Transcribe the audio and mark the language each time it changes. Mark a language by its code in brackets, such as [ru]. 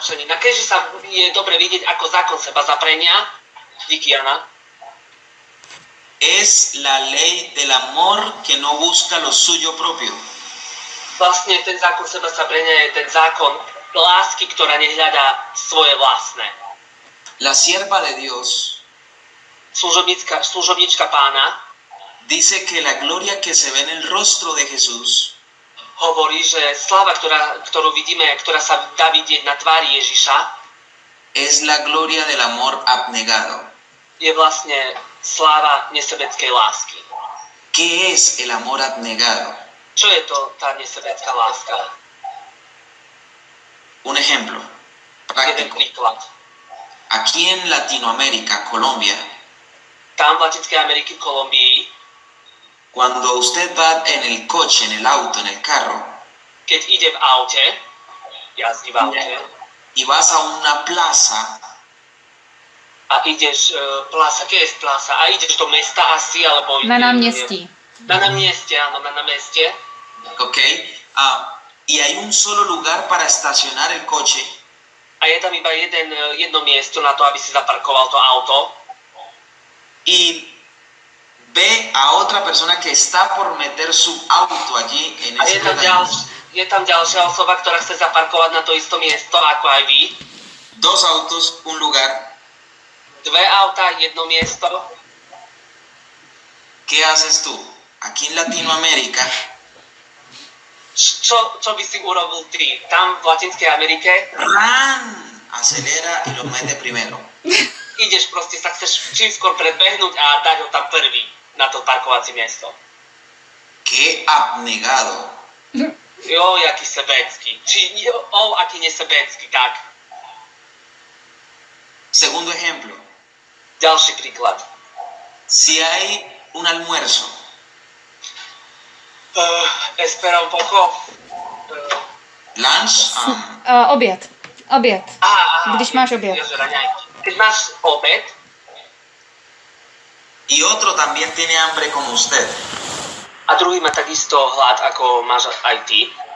[sk] Na kríži sa je dobre vidieť ako zákon sebezaprenia. [cs] Díky, Jana. [es] Es la ley del amor que no busca lo suyo propio. [sk] Vlastne ten zákon sebezaprenia je ten zákon lásky, ktorá nehľadá svoje vlastné. [es] La sierva de Dios, [sk] služobnička pána, [es] dice que la gloria que se ve en el rostro de Jesús, [sk] hovorí, že sláva, ktorú vidíme, ktorá sa dá vidieť na tvári Ježiša, [es] es la gloria del amor abnegado. [sk] Je vlastne sláva nesebeckej lásky. [es] ¿Qué es el amor abnegado? [sk] Čo je to tá nesebecká láska? [es] Un ejemplo. [sk] Jeden príklad. [es] Aquí en Latinoamérica, Colombia. [sk] Tam v Latinskej Amerike, Kolumbii. [es] Cuando usted va en el coche, en el auto, en el carro. [sk] Keď ide v aute, jazdí v aute. [es] Y vas a una plaza. [sk] A ideš, plaza, kde je plaza? A ideš do mesta asi, alebo... Na námestí. Na námestí, áno, na námestí. OK. [es] Y hay un solo lugar para estacionar el coche. [sk] A je tam iba jedno miesto na to, aby si zaparkoval to auto. [es] Y ve a otra persona que está por meter su auto allí. En [sk] a je tam ďalšia osoba, ktorá chce zaparkovať na to isto miesto, ako aj vy. [es] Dos autos, un lugar. [sk] Dve auta, jedno miesto. [es] ¿Qué haces tú? Aquí en Latinoamérica. [sk] Čo by si urobil ty? Tam v Latinskej Amerike? [en] Run! [es] Acelera y lo mete primero. [sk] Ideš proste, sa chceš čím skôr predbehnúť a dať ho tam prvý na to parkovací miesto. [es] ¿Qué abnegado? [sk] Jo, aký sebecký. Aký nesebecký, tak. [es] Segundo ejemplo. [sk] Ďalší príklad. [es] Si hay un almuerzo. Espera un poco. [en] Lunch? [sk] Obiad. Obiad. Když máš obiad. Keď máš obed. [es] Y otro también tiene hambre como usted. [sk] A druhý má takisto hlad, ako máš aj ty.